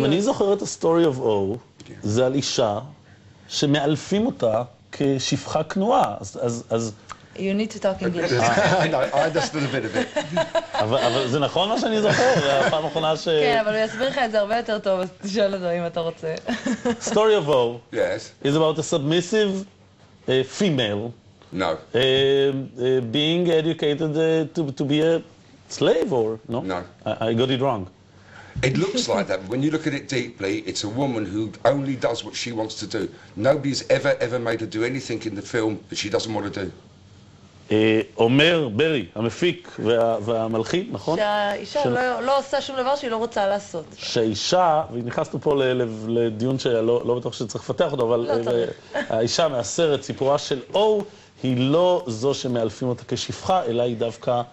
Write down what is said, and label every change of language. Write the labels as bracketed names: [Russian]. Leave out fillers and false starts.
[Hebrew] אם אני זוכר את ה-story of O, זה על אישה שמאלפים אותה כשפחה כנועה, אז... [English] You need to talk English. I know, I understood a bit of it. [Hebrew] אבל זה נכון מה שאני זוכר, הפעם האחרונה ש... כן, אבל הוא יסביר לך את זה הרבה יותר טוב, אז תשאל אותו אם אתה רוצה. [English] Story of War. Yes. Is about a submissive female. No. Being educated to be a slave or... No. No. I got it wrong. It looks like that, but when you look at it deeply, it's a woman who only does what she wants to do. Nobody's ever made her do anything in the film that she doesn't want to do. [Hebrew] אומר ברי, המפיק והמלחין, נכון? שהאישה לא עושה שום דבר שהיא לא רוצה לעשות. שהאישה, והיא נכנסת פה לדיון שלא בטוח שצריך לפתח אותו, אבל האישה מהסרט, סיפורה של אור, היא לא זו שמאלפים אותה כשפחה, אלא היא דווקא...